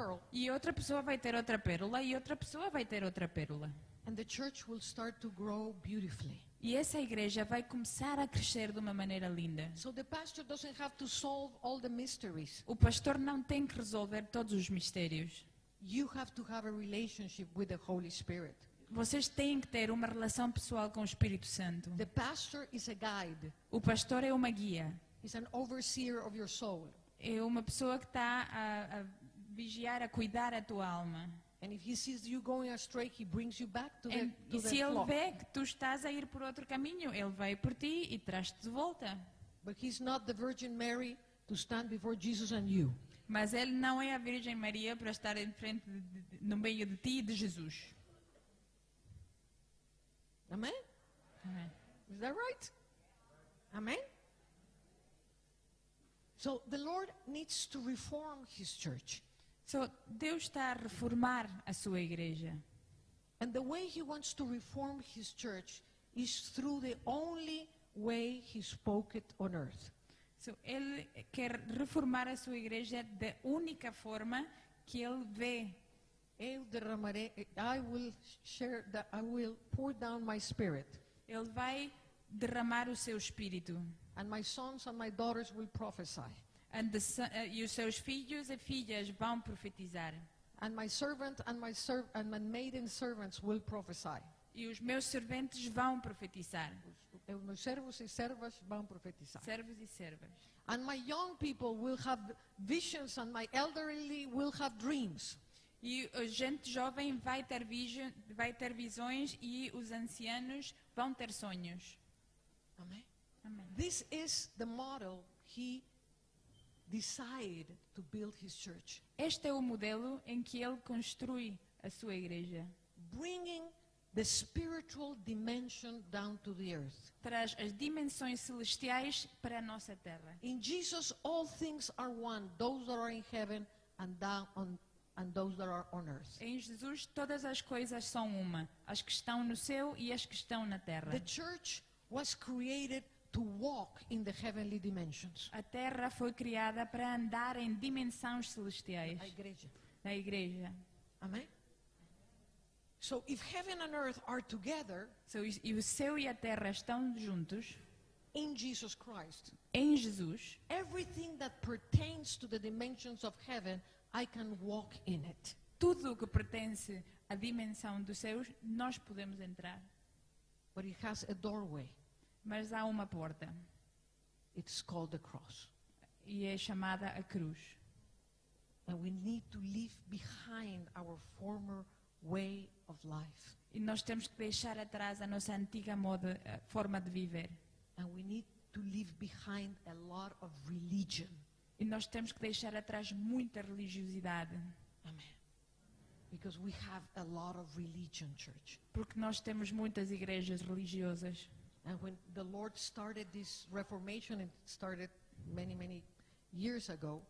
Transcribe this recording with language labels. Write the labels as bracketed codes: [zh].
[pt] E outra pessoa vai ter outra pérola, e outra pessoa vai ter outra pérola. [en] And the church will start to grow beautifully. [pt] E essa igreja vai começar a crescer de uma maneira linda. [en] So the pastor doesn't have to solve all the mysteries. [pt] O pastor não tem que resolver todos os mistérios. [en] You have to have a relationship with the Holy Spirit. [pt] Vocês têm que ter uma relação pessoal com o Espírito Santo. [en] The pastor is a guide. [pt] O pastor é uma guia. [en] He's an overseer of your soul. [pt] É uma pessoa que está a vigiar, a cuidar a tua alma. [en] And if he sees you going astray, he brings you back to the flock. [pt] E se ele vê que tu estás a ir por outro caminho, ele vai por ti e traz-te de volta. [en] But he's not the Virgin Mary to stand before Jesus and you. [pt] Mas ele não é a Virgem Maria para estar em frente no meio de ti e de Jesus. Amém? Amém. [en] Is that right? Amém? So the Lord needs to reform his church. [pt] So Deus está a reformar a sua igreja. [en] And the way he wants to reform his church is through the only way he spoke it on earth. [pt] So, ele quer reformar a sua igreja da única forma que ele vê. Eu derramarei, [en] I will pour down my spirit. [pt] Ele vai derramar o seu espírito. [en] And my sons and my daughters will prophesy. [pt] E os seus filhos e filhas vão profetizar. [en] And my servant and my maiden servants will prophesy. [pt] E os meus serventes vão profetizar. Os meus servos e servas vão profetizar. Servos e servas. [en] And my young people will have visions and my elderly will have dreams. [pt] E a gente jovem vai ter visões e os ancianos vão ter sonhos. Amém. Amém. [en] This is the model he decided to build his church. [pt] Este é o modelo em que ele construi a sua igreja. [en] Bringing the spiritual dimension down to the earth. [pt] Traz as dimensões celestiais para a nossa terra. [en] In Jesus all things are one, those that are in heaven and those that are on earth. [pt] Em Jesus todas as coisas são uma, as que estão no céu e as que estão na terra. [en] The church was created to walk in the heavenly dimensions. [pt] A terra foi criada para andar em dimensões celestiais. A igreja. Na igreja. [en] Amém. So if heaven and earth are together, [pt] so e o céu e a terra estão juntos, [en] in Jesus Christ, [pt] em Jesus, [en] everything that pertains to the dimensions of heaven, I can walk in it. [pt] Tudo o que pertence à dimensão dos céus, nós podemos entrar. [en] But it has a doorway. [pt] Mas há uma porta. [en] It's called the cross. [pt] E é chamada a cruz. [en] And we need to leave behind our former way of life. [pt] E nós temos que deixar atrás a nossa antiga moda, forma de viver. [en] And we need to leave behind a lot of religion. [pt] E nós temos que deixar atrás muita religiosidade. [en] Amen. Because we have a lot of religion, church. [pt] Porque nós temos muitas igrejas religiosas. [en] And when the Lord started this reformation, it started many, many years ago.